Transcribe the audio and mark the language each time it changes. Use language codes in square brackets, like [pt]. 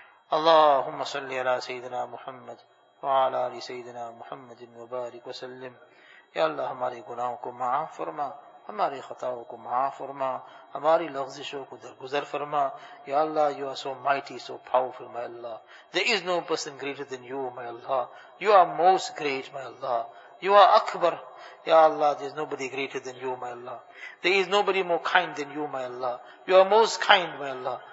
[ar] Allahumma salli ala Sayyidina Muhammad وعلى آل سيدنا محمد وبارك وسلم. [ur] يا الله ہماری گناہوں کو معاف فرما، ہماری خطاؤں کو معاف فرما، ہماری لغزشوں کو درگزر فرما. [en] یا اللہ، you are so mighty, so powerful, my Allah. There is no person greater than you, my Allah. You are most great, my Allah. You are akbar. یا اللہ، there is nobody greater than you, my Allah. There is nobody more kind than you, my Allah. You are most kind, my Allah.